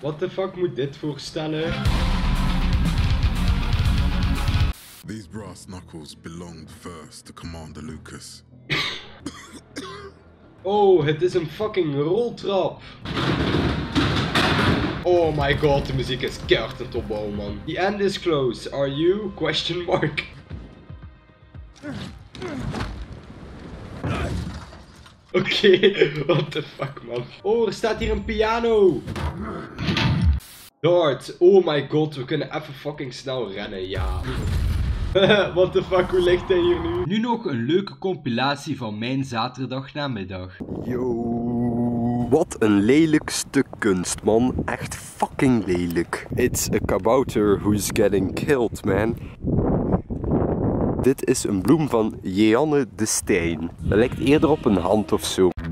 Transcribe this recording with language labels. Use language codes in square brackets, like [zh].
[en] What the fuck [nl] moet dit voorstellen? [en] These brass knuckles belonged first to Commander Lucas. [nl] Oh, het is een fucking roltrap. Oh my god, de muziek is keihard aan het opbouwen, man. [en] The end is close. Are you? Question mark. Oké, what the fuck, man. [nl] Oh, er staat hier een piano. Dart. Oh my god, we kunnen even fucking snel rennen, ja. [en] What the fuck, [nl] hoe ligt hij hier nu? Nu nog een leuke compilatie van mijn zaterdagnamiddag. Yo. Wat een lelijk stuk kunst, man. Echt fucking lelijk. [en] It's a kabouter who's getting killed, man. [nl] Dit is een bloem van Jeanne de Stijn. Dat lijkt eerder op een hand of zo.